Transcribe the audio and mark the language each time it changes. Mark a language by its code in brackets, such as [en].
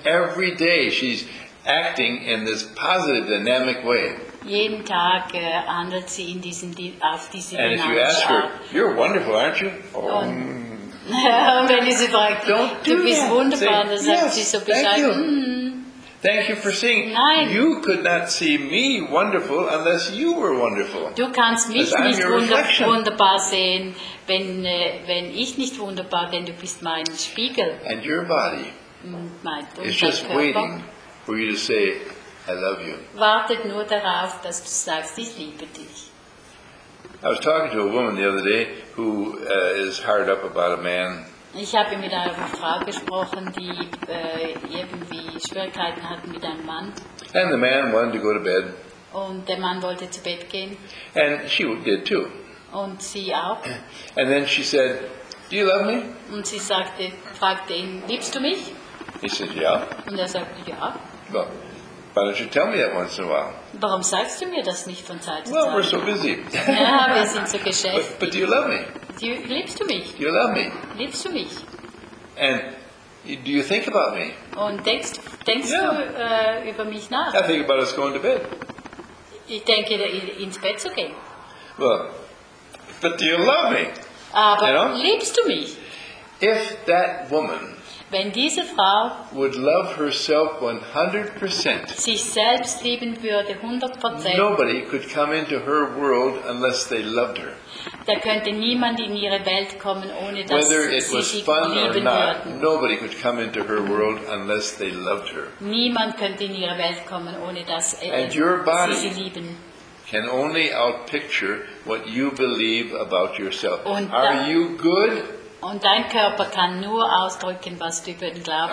[en] Every day she's acting in this positive, dynamic way. [de] Jeden Tag handelt sie in diesem, auf diese [en] And if you ask her, you're wonderful, aren't you? [de] Wenn sie fragt, du bist wunderbar, dann sagt sie so bescheiden. [en] Thank you for seeing. [de] Nein. [en] You could not see me wonderful unless you were wonderful. [de] Du kannst mich nicht wunderbar sehen, wenn ich nicht wunderbar, denn du bist mein Spiegel. [en] And your body is just waiting for you to say, I love you. [de] Wartet nur darauf, dass du sagst, ich liebe dich. [en] I was talking to a woman the other day who is hard up about a man. [de] Ich habe mit einer Frau gesprochen, die irgendwie Schwierigkeiten hatte mit einem Mann. [en] And the man wanted to go to bed. [de] Und der Mann wollte zu Bett gehen. [en] And she did too. [de] Und sie auch. [en] And then she said, "Do you love me?" [de] Und sie sagte, fragte ihn, "Liebst du mich?" [en] He said, "Yeah." [de] Und er sagte, "Ja." [en] Well, why don't you tell me that once in a while? [de] Warum sagst du mir das nicht von Zeit zu Zeit? [en] Well, we're so busy. [de] Ja, wir sind so geschäftig. [en] But do you love me? [de] Liebst du mich? [en] Do you love me? [de] Liebst du mich? [en] And do you think about me? [de] Und denkst du über mich nach? [en] I think about us going to bed. [de] Ich denke, ins Bett zu gehen. [en] Well, but do you love me? [de] Aber [en] you know? [de] Liebst du mich? [en] If that woman [de] Wenn diese Frau [en] would love herself 100%, [de] sich selbst lieben würde 100%, [en] nobody could come into her world unless they loved her. [de] Da könnte niemand in ihre Welt kommen, ohne dass [en] Whether it [de] sie [en] was [de] sich [en] fun [de] lieben [en] or not, [de] würden. [en] Nobody could come into her world unless they loved her. [de] Niemand könnte in ihre Welt kommen, ohne dass [en] And your body [de] sie lieben. [en] Can only outpicture what you believe about yourself. Are you good? [de] Und dein Körper kann nur ausdrücken, was du über ihn glaubst.